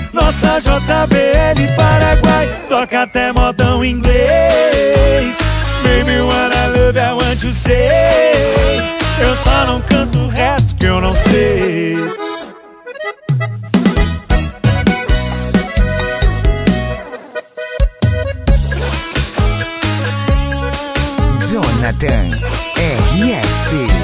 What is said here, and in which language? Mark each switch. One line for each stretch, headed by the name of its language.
Portuguese: Nossa JBL Paraguai, toca até modão inglês.
English: Baby, wanna love, I want you say.
Portuguese: Eu só não canto reto que eu não sei. Jonathan RS.